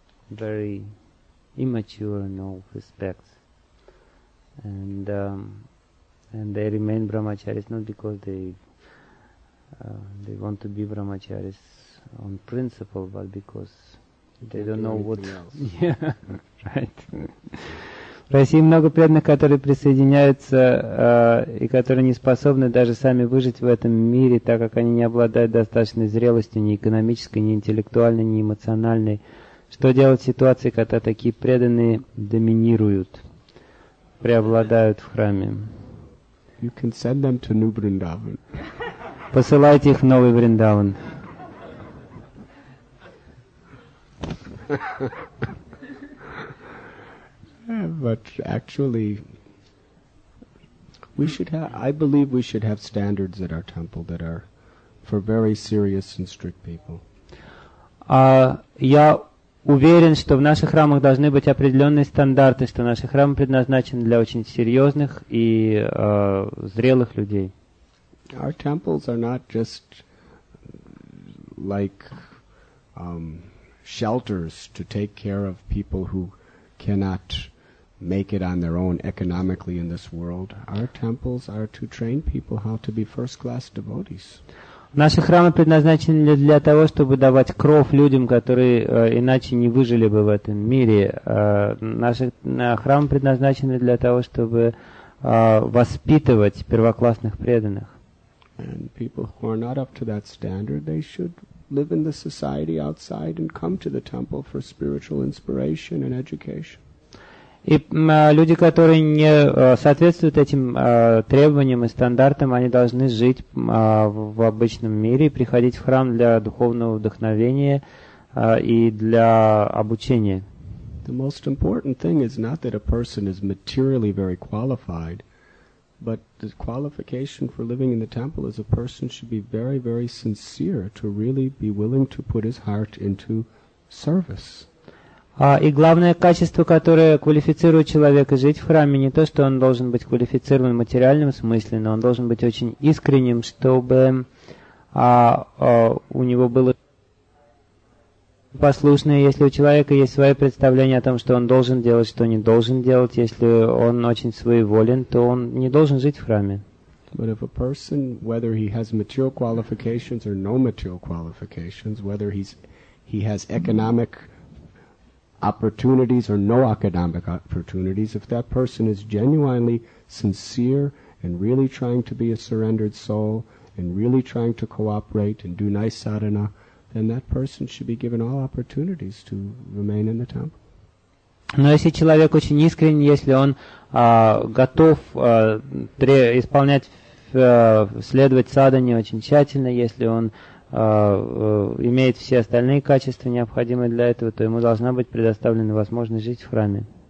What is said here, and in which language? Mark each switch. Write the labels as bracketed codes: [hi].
[en] Very immature in all respects. And they remain brahmacharis not because they want to be brahmacharis on principle, but because they don't know what else. Yeah, right. [ru] В России много преданных, которые присоединяются и которые не способны даже сами выжить в этом мире, так как они не обладают достаточной зрелостью ни экономической, ни интеллектуальной, ни эмоциональной. Что делать в ситуации, когда такие преданные доминируют, преобладают в храме? [en] You can send them to New Vrindavan. [ru] Посылайте их в Новый Вриндаван. [en] But actually, we should have. I believe we should have standards at our temple that are for very serious and strict people. [ru] Я уверен, что в наших храмах должны быть определенные стандарты, что наши храмы предназначены для очень серьезных и зрелых людей. [en] Our temples are not just like shelters to take care of people who cannot make it on their own economically in this world. Our temples are to train people how to be first-class devotees. [ru] Наши храмы предназначены для того, чтобы давать кров людям, которые иначе не выжили бы в этом мире. Наши храмы предназначены для того, чтобы воспитывать первоклассных преданных. [en] And people who are not up to that standard, they should live in the society outside and come to the temple for spiritual inspiration and education. [ru] И люди, которые не соответствуют этим требованиям и стандартам, они должны жить в обычном мире и приходить в храм для духовного вдохновения и для обучения. [en] The most important thing is not that a person is materially very qualified, but the qualification for living in the temple is a person should be very, very sincere to really be willing to put his heart into service. [ru] И главное качество, которое квалифицирует человека жить в храме, не то, что он должен быть квалифицирован в материальном смысле, но он должен быть очень искренним, чтобы у него было послушное, если у человека есть свои представления о том, что он должен делать, что не должен делать, если он очень своеволен, то он не должен жить в храме. [en] But if a person, whether he has material qualifications or no material qualifications, whether he has economic opportunities or no academic opportunities, if that person is genuinely sincere and really trying to be a surrendered soul and really trying to cooperate and do nice sadhana, then that person should be given all opportunities to remain in the temple. [ru] Но если человек очень искренен, если он готов следовать садхане очень тщательно, если он имеет все остальные качества, необходимые для этого, то ему должна быть предоставлена возможность жить в храме.